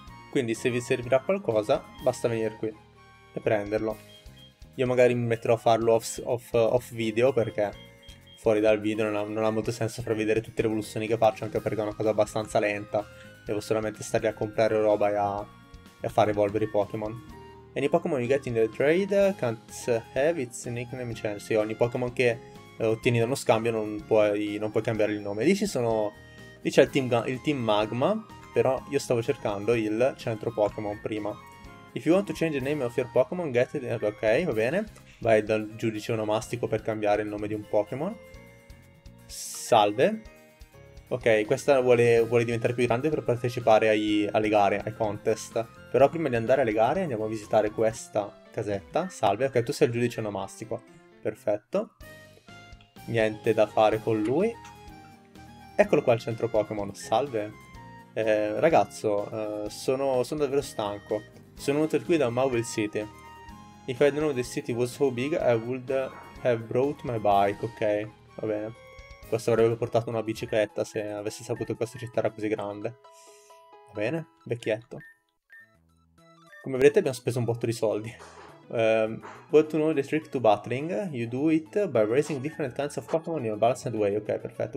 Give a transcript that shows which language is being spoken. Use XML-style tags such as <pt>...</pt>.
<it>Quindi se vi servirà qualcosa, basta venire qui e prenderlo. Io magari mi metterò a farlo off video, perché fuori dal video non ha molto senso far vedere tutte le evoluzioni che faccio, anche perché è una cosa abbastanza lenta. Devo solamente stare a comprare roba e a far evolvere i Pokémon.</it> <en>Any Pokémon you get in the trade can't have its nickname change.</en> <it>Sì, ogni Pokémon che ottieni da uno scambio non puoi cambiare il nome. Lì c'è il team Magma, però io stavo cercando il centro Pokémon prima.</it> <en>If you want to change the name of your Pokémon, get it.</en> <it>Ok, va bene. Vai dal giudice onomastico per cambiare il nome di un Pokémon. Salve. Ok, questa vuole diventare più grande per partecipare alle gare, ai contest. Però prima di andare alle gare andiamo a visitare questa casetta. Salve, ok, tu sei il giudice onomastico. Perfetto. Niente da fare con lui. Eccolo qua il centro Pokémon. Salve. Ragazzo, sono davvero stanco. Sono venuto qui da Marvel City.</it> <en>If I didn't know the city was so big, I would have brought my bike, ok?</en> <it>Va bene. Questo avrebbe portato una bicicletta se avessi saputo che questa città era così grande. Va bene, vecchietto. Come vedete abbiamo speso un botto di soldi.</it> <en>Want to know the trick to battling? You do it by raising different kinds of Pokémon in a balanced way.</en> <it>Ok, perfetto.</it>